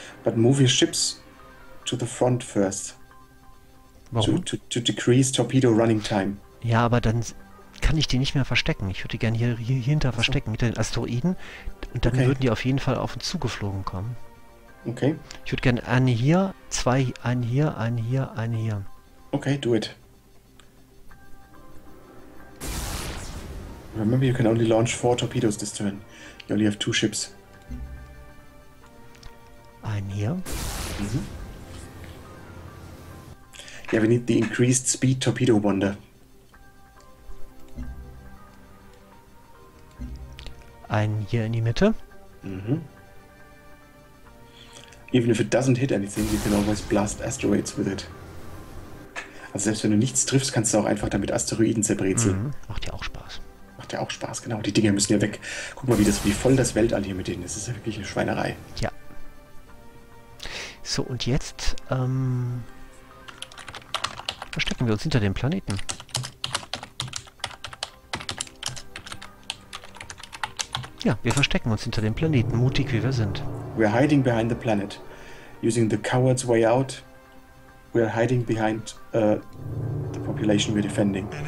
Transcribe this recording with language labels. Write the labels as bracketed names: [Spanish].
[English] But move your ships to the front first. [German] Warum? [English] To decrease torpedo running time. [German] Ja, aber dann kann ich die nicht mehr verstecken. Ich würde die gerne hier hinter verstecken, hinter den Asteroiden. Und dann würden die auf jeden Fall auf uns zugeflogen kommen. [English] Okay. [German] Ich würde gerne eine hier, zwei, eine hier, eine hier, eine hier. [English] Okay, do it. Remember, you can only launch 4 torpedoes this turn. You only have 2 ships. [German] Eine hier. Mhm. [English] Yeah, we need the increased speed torpedo wonder. [German] Einen hier in die Mitte. Mhm. [English] Even if it doesn't hit anything, you can always blast asteroids with it. [German] Also selbst wenn du nichts triffst, kannst du auch einfach damit Asteroiden zerbrezeln. Mhm. Macht ja auch Spaß. Macht ja auch Spaß, genau. Die Dinger müssen ja weg. Guck mal, wie voll das Weltall hier mit denen ist. Das ist ja wirklich eine Schweinerei. Ja. So, und jetzt verstecken wir uns hinter dem Planeten. Ja, wir verstecken uns hinter dem Planeten, mutig wie wir sind. [English] We're hiding behind the planet. Using the coward's way out, we're hiding behind the population we're defending.